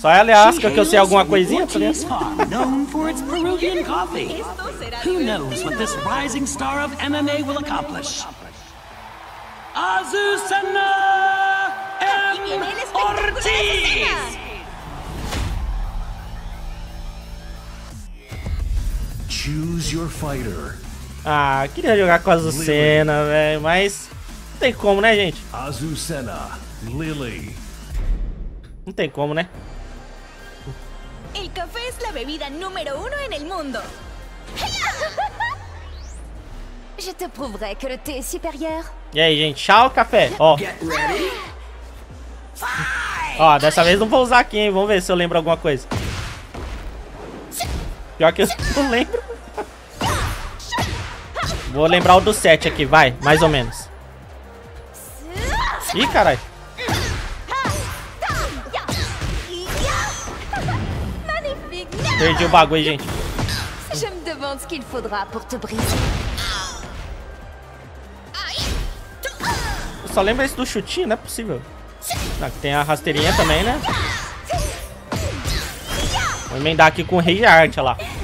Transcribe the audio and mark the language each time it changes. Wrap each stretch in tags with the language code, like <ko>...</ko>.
<pt>Só é Alaska que eu sei alguma coisinha, tá ligado?</pt> <en>Known for its Peruvian coffee. Who knows what this rising star of MMA will accomplish? Azucena M. Ortiz! Choose your fighter.</en> <pt>Ah, queria jogar com a Azucena, velho, mas não tem como, né, gente? Azucena, Lily. Não tem como, né?</pt> <es>El café es la bebida número uno en el mundo.</es> <fr>Je te prouverai que le thé est supérieur.</fr> <pt>E aí, gente, tchau, café. Ó. Ó, dessa vez não vou usar aqui, hein? Vamos ver se eu lembro alguma coisa. Pior que eu não lembro. Vou lembrar o do 7 aqui, vai. Mais ou menos. Ih, carai. Perdi o bagulho, gente.</pt> <fr>Je me demande ce qu'il faudra pour te briser.</fr> <pt>Eu só lembro esse do chutinho, não é possível. Ah, tem a rasteirinha também, né? Vou emendar aqui com o Rei de Arte, olha lá.</pt>